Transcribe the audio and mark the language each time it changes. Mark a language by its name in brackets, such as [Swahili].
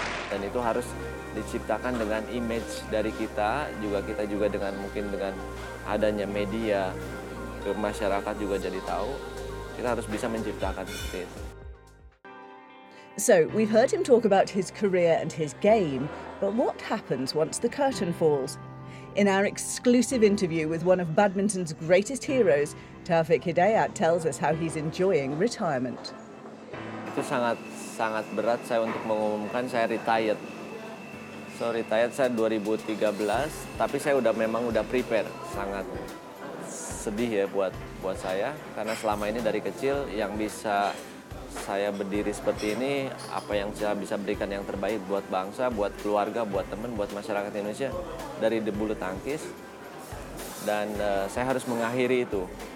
[Indonesian] Dan itu harus diciptakan dengan image dari kita juga, kita juga dengan mungkin dengan adanya media ke masyarakat juga jadi tahu, kita harus bisa menciptakan seperti itu. [English] So, we've heard him talk about his career and his game, but what happens once the curtain falls? In our exclusive interview with one of badminton's greatest heroes, Taufik Hidayat tells us how he's enjoying retirement. [Indonesian] Itu sangat sangat berat saya untuk mengumumkan saya retired. So, retired saya 2013, tapi saya memang prepare. Sangat sedih ya buat saya, karena selama ini dari kecil yang bisa saya berdiri seperti ini, apa yang saya bisa berikan yang terbaik buat bangsa, buat keluarga, buat teman, buat masyarakat Indonesia dari bulu tangkis, dan saya harus mengakhiri itu.